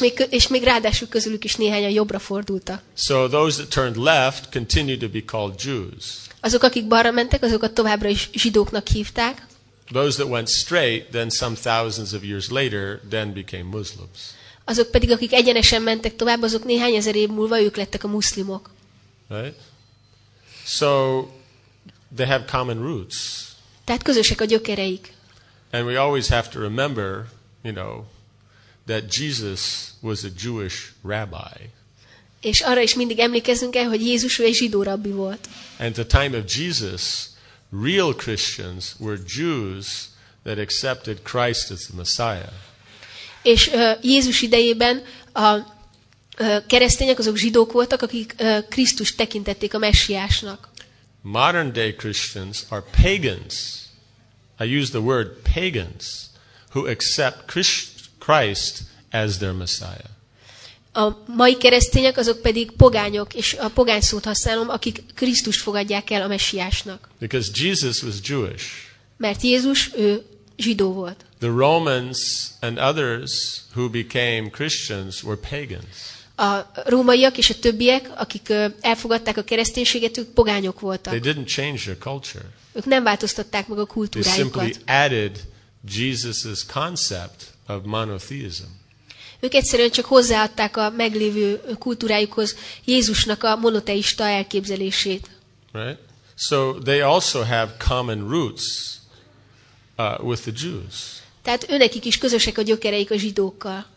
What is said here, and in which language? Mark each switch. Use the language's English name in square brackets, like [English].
[Hungarian] És még ráadásul közülük is néhányan jobbra fordultak. [English] So those that turned left continued to be called Jews. [Hungarian] Azok, akik balra mentek, azokat továbbra is zsidóknak hívták. [English] Those that went straight, then some thousands of years later, then became Muslims. [Hungarian] Azok pedig, akik egyenesen mentek tovább, azok néhány ezer év múlva ők lettek a muszlimok. [English] Right? So they have common roots. [Hungarian] Tehát közösek a gyökereik. [English] And we always have to remember, you know, that Jesus was a Jewish rabbi. [Hungarian] És arra is mindig emlékezzünk el, hogy Jézus egy zsidó rabbi volt. [English] And at the time of Jesus, real Christians were Jews that accepted Christ as the Messiah. [Hungarian] És Jézus idejében a keresztények azok zsidók voltak, akik Krisztust tekintették a messiásnak. [English] Modern day Christians are pagans. I use the word pagans who accept Christ as their Messiah. [Hungarian] A mai keresztények azok pedig pogányok, és a pogány szót használom, akik Krisztust fogadják el a messiásnak. [English] Because Jesus was Jewish. [Hungarian] Mert Jézus ő zsidó volt. [English] The Romans and others who became Christians were pagans. [Hungarian] A rómaiak és a többiek, akik elfogadták a kereszténységet, ők pogányok voltak. [English] They didn't change their culture. [Hungarian] Ők nem változtatták meg a kultúrájukat. [English] They simply added Jesus's concept of monotheism. [Hungarian] Ők egyszerűen csak hozzáadták a meglévő kultúrájukhoz Jézusnak a monoteista elképzelését. [English] Right? So they also have common roots with the Jews. [Hungarian] Tehát őnekik is közösek a gyökereik a zsidókkal.